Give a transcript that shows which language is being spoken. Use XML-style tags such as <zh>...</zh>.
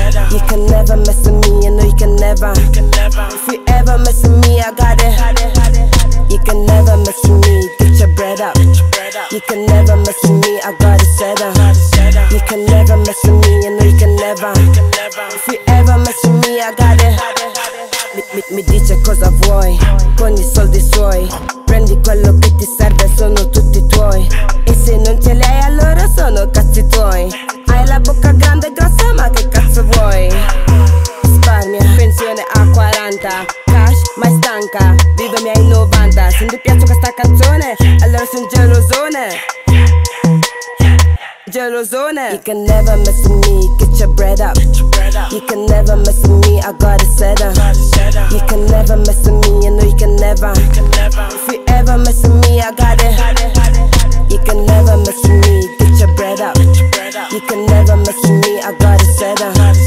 <en>You can never mess with me, you know you can never. If you ever mess with me, I got it. You can never mess with me, get your bread up. You can never mess with me, I got it set up. You can never mess with me, you know you can never. If you ever mess with me, I got it.</en> <it>Mi dice cosa vuoi, con i soldi suoi. Prendi quello che ti serve, sono tutti tuoi. E se non ce li hai, allora sono cazzi tuoi. Hai la bocca grande e grossa, ma che cazzo vuoi? Risparmia, pensione a 40. Cash, mai stanca, vivo i miei 90. Se mi piace questa canzone, allora sono gelosone. Gelosone.</it> <en>You can never mess with me, get your bread up. You can never mess with me, I got it set up. You can never mess with me, you know you can never. If you ever mess with me, I got it. You can never mess with me, get your bread up. You can never mess with me, I got it set up.</en>